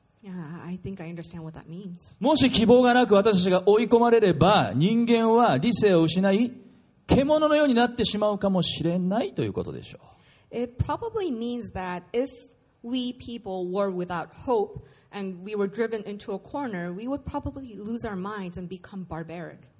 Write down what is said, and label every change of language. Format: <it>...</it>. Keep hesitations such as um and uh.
<en>Yeah, I think I understand what that means.</en> <ja>もし希望がなく私たちが追い込まれれば人間は理性を失い獣のようになってしまうかもしれないということでしょう。</ja> <en>It probably means that if we people were without hope and we were driven into a corner, we would probably lose our minds and become barbaric.</en>